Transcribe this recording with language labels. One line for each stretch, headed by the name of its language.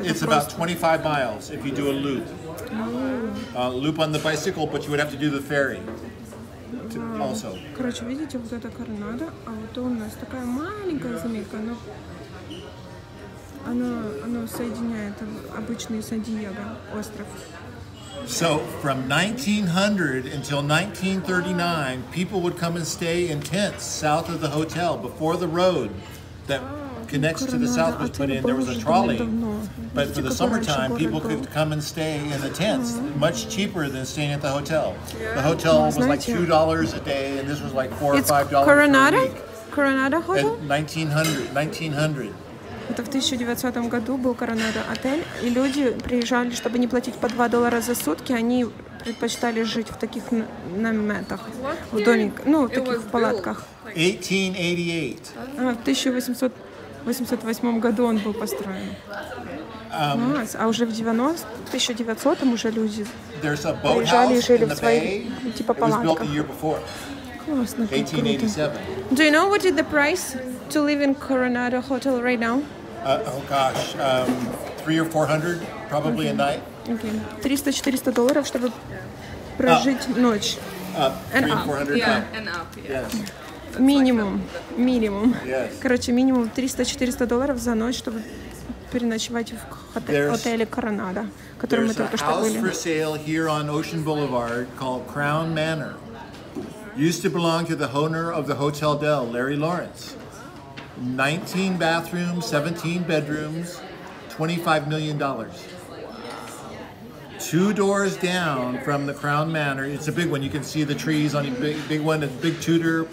English: It's about 25 miles if you do a loop. Loop on the bicycle, but you would have to do the ferry also.
Russian: Короче, видите, вот это Коронадо, а вот у нас такая маленькая заметка, но... Оно соединяет обычный Сан-Диего остров.
English: So from 1900 until 1939, people would come and stay in tents south of the hotel before the road that connects to the south was put in, there was a trolley. But for the summertime, people could come and stay in the tents, much cheaper than staying at the hotel. The hotel was like $2 a day, and this was like $4 or $5 per week. Coronado Hotel? At 1900.
Russian: Это в 1900 году был Coronado Hotel, и люди приезжали, чтобы не платить по $2 за сутки, они предпочитали жить в таких наметах, в домиках, ну, в таких палатках.
English: 1888.
Russian: А, в 1888 году он был построен. А уже в 1900-м уже люди приезжали и жили в своих, типа, палатках. Классно, круто.
English: Do you know what is the price to live in Coronado Hotel right now? $300 or $400 probably a night.
Russian: Okay. $300-$400 чтобы прожить ночь.
English: $300-$400
Russian: Минимум. Минимум. Короче, минимум $300-$400 за ночь, чтобы переночевать в отеле Coronado, в котором мы только что были.
English: There's a house for sale here on Ocean Boulevard called Crown Manor. Used to belong to the owner of the Hotel Del, Larry Lawrence. 19 bathrooms, 17 bedrooms, $25 million. Two doors down from the Crown Manor, it's a big one. You can see the trees on a big one. It's a big Tudor.